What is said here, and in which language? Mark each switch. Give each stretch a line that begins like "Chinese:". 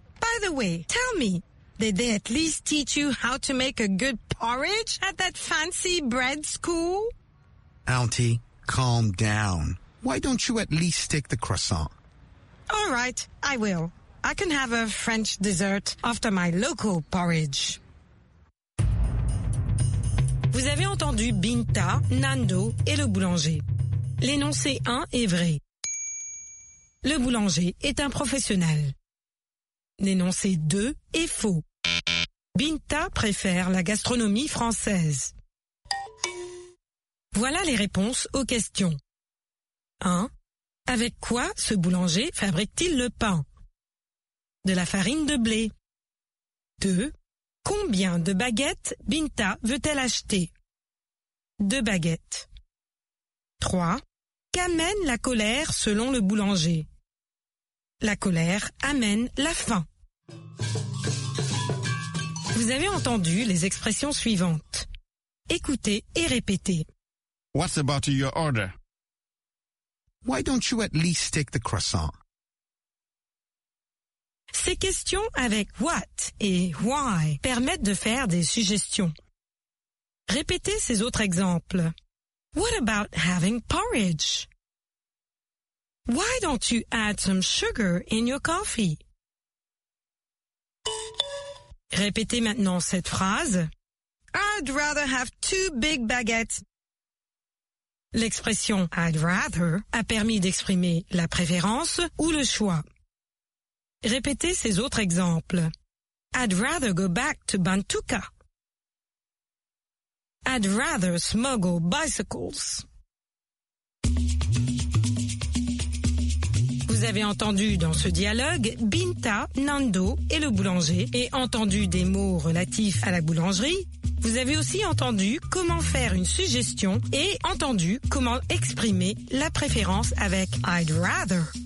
English: By the way, tell me, did they at least teach you how to make a good porridge at that fancy bread school? Auntie, calm down. Why don't you at least take the croissant? All right, I will. I can have a French dessert after my local porridge.
French: Vous avez entendu Binta, Nando et le boulanger. L'énoncé 1 est vrai. Le boulanger est un professionnel. L'énoncé 2 est faux. Binta préfère la gastronomie française. Voilà les réponses aux questions. 1. Avec quoi ce boulanger fabrique-t-il le pain? De la farine de blé. 2. Combien de baguettes Binta veut-elle acheter? 2 baguettes. 3. Qu'amène la colère selon le boulanger? La colère amène la faim. Vous avez entendu les expressions suivantes. Écoutez et répétez.
English: What's about your order? Why don't you at least take the croissant?
French: Ces questions avec what et why permettent de faire des suggestions. Répétez ces autres exemples.
English: What about having porridge? Why don't you add some sugar in your coffee?
French: Répétez maintenant cette phrase.
English: I'd rather have two big baguettes.
French: L'expression
English: I'd rather
French: a permis d'exprimer la préférence ou le choix. Répétez ces autres exemples.
English: I'd rather go back to Bantuka. I'd rather smuggle bicycles.
French: Vous avez entendu dans ce dialogue Binta, Nando et le boulanger et entendu des mots relatifs à la boulangerie. Vous avez aussi entendu comment faire une suggestion et entendu comment exprimer la préférence avec
English: I'd rather.